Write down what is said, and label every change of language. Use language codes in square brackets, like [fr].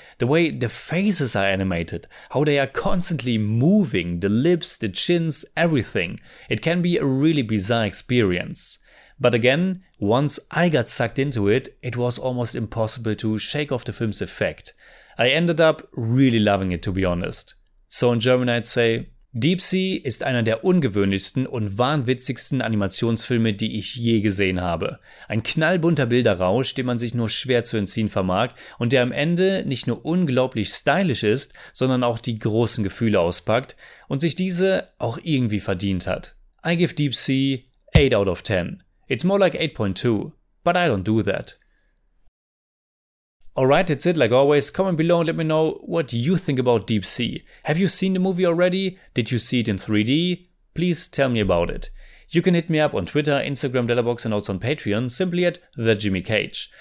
[en] The way the faces are animated, how they are constantly moving, the lips, the chins, everything. It can be a really bizarre experience. But again, once I got sucked into it, it was almost impossible to shake off the film's effect. I ended up really loving it, to be honest. So in German I'd say, [de] Deep Sea ist einer der ungewöhnlichsten und wahnwitzigsten Animationsfilme, die ich je gesehen habe. Ein knallbunter Bilderrausch, dem man sich nur schwer zu entziehen vermag und der am Ende nicht nur unglaublich stylisch ist, sondern auch die großen Gefühle auspackt und sich diese auch irgendwie verdient hat. [en] I give Deep Sea 8 out of 10. It's more like 8.2, but I don't do that. Alright, that's it. Like always, comment below and let me know what you think about Deep Sea. Have you seen the movie already? Did you see it in 3D? Please tell me about it. You can hit me up on Twitter, Instagram, Letterboxd and also on Patreon, simply at TheJimmyCage.